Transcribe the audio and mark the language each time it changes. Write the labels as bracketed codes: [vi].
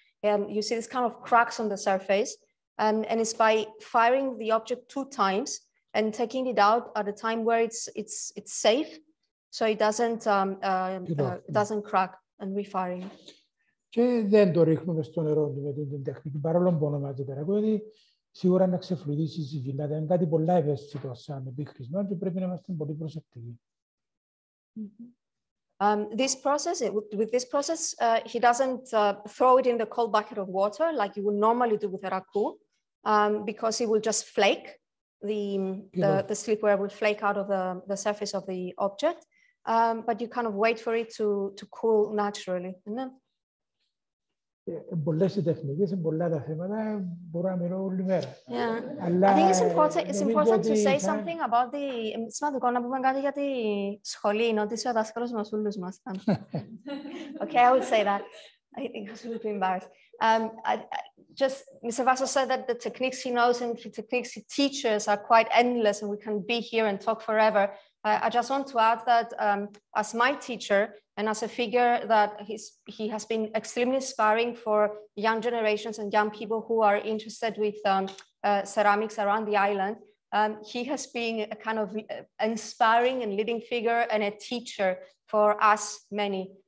[en] You see this kind of cracks on the surface, and it's by firing the object two times and taking it out at a time where it's safe, so it doesn't doesn't crack, and refiring. Then do [el] ρίχνουμε στο νερό την τεχνική, παρόλο που ονομάζεται περαγωγή. Σίγουρα να ξεφλουδίσει η συγκυλάτα. Είναι κάτι πολύ ευαίσθητο σαν επίχρησμα και πρέπει να είμαστε πολύ προσεκτικοί. [en] This process, with this process, he doesn't throw it in the cold bucket of water like you would normally do with a ragu, because it will just flake, the slipware will flake out of the surface of the object, but you kind of wait for it to cool naturally. [el] Πολλές οι τεχνικές, πολλά τα θέματα, μπορώ να μιλώ όλη μέρα. Αλλά, [en] I think it's important to say something about the... [el] Σημαντικό να πούμε κάτι για τη σχολή, είναι ότι είσαι ο δάσκαλος μας, όλους μας. [en] Okay, I would say that. I think it's a little bit embarrassed. Just, Mr. Vassos said that the techniques he knows and the techniques he teaches are quite endless and we can be here and talk forever. I just want to add that as my teacher, and as a figure that he has been extremely inspiring for young generations and young people who are interested with ceramics around the island, he has been a kind of inspiring and leading figure and a teacher for us many.